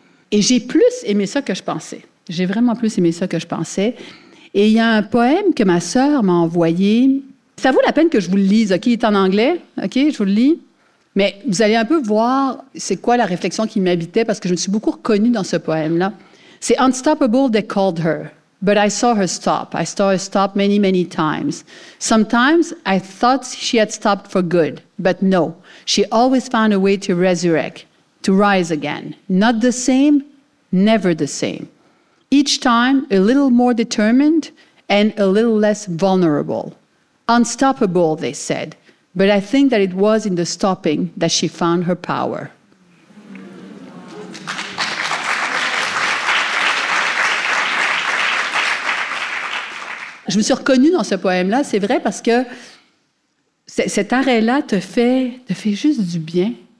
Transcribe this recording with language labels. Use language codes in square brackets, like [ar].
[fr] Et j'ai plus aimé ça que je pensais. J'ai vraiment plus aimé ça que je pensais. Et il y a un poème que ma sœur m'a envoyé. Ça vaut la peine que je vous le lise, OK? Il est en anglais, OK? Je vous le lis. Mais vous allez un peu voir c'est quoi la réflexion qui m'habitait parce que je me suis beaucoup reconnue dans ce poème-là. [en] C'est « Unstoppable, they called her. But I saw her stop. I saw her stop many, many times. Sometimes I thought she had stopped for good. But no, she always found a way to resurrect, to rise again. Not the same, never the same. Each time, a little more determined and a little less vulnerable. Unstoppable, they said. But I think that it was in the stopping that she found her power. [fr] » Je me suis reconnue dans ce poème-là, c'est vrai, parce que cet arrêt-là te fait juste du bien.